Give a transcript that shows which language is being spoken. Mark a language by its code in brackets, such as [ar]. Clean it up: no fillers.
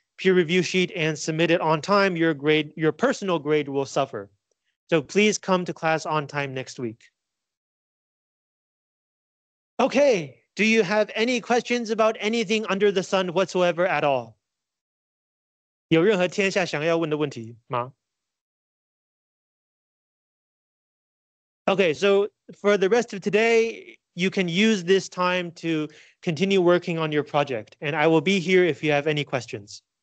[en] peer review sheet and submit it on time, your grade, your personal grade will suffer. So please come to class on time next week. Okay, do you have any questions about anything under the sun whatsoever at all? [zh] 有任何天下想要问的问题吗？ [en] Okay, so for the rest of today, you can use this time to continue working on your project, and I will be here if you have any questions.